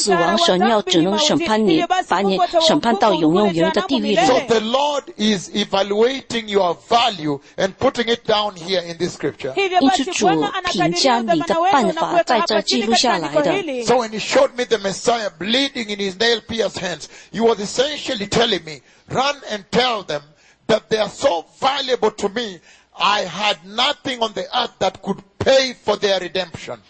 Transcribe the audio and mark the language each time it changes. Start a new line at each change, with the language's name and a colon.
Chinese: 在这地上没有任何一个东西能够付出代价，然后把你赎过来的。但是这个代价是不是为不是给撒旦付的，而是给神付代价的。因此，耶稣基督从这个主那把你赎过来的，把你买赎过来的。因为罪的代价是死亡，神要只能审判你，把你审判。
English: So the Lord is evaluating your value and putting it down here in this scripture.
Chinese: 因此主评价你的办法在这记录下来的。
English: So when he showed me the Messiah bleeding in his nail-pierced hands, he was essentially telling me, run and tell them that they are so valuable to me, I had nothing on the earth that could pay for their redemption.